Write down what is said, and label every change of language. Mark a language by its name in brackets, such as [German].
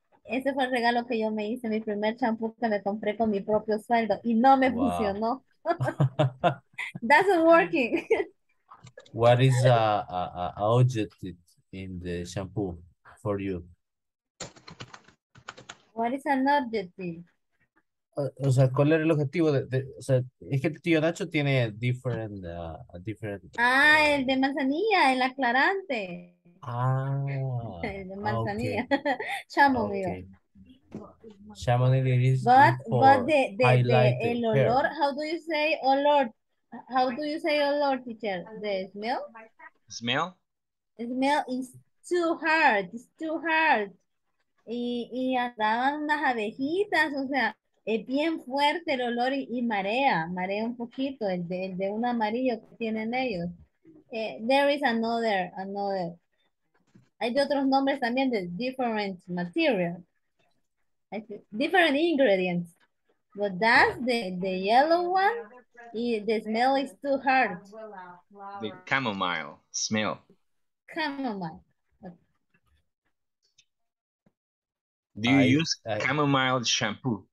[Spanish] Ese fue el regalo que yo me hice, mi primer champú que me compré con mi propio sueldo. Y no me wow. funcionó. [English] That's not working. What is a objective in the shampoo for you? What is an objective? [Spanish] O sea, ¿cuál era el objetivo? O sea, es que el tío Nacho tiene different... el de manzanilla, el aclarante. El de manzanilla. Okay. Chamomile. [English] Okay. Chamomile is [Spanish] el olor, [English] hair. How do you say olor? How do you say olor, teacher? The smell? Smell? Smell is too hard. It's too hard. [Spanish] Y andaban unas abejitas, o sea, es bien fuerte el olor y marea un poquito, el de un amarillo que tienen ellos. [English] There is another. [Spanish] Hay de otros nombres también de different material. [English] Different ingredients. But that's the yellow one, y the smell is too hard. The chamomile smell. Chamomile. Do you use chamomile shampoo?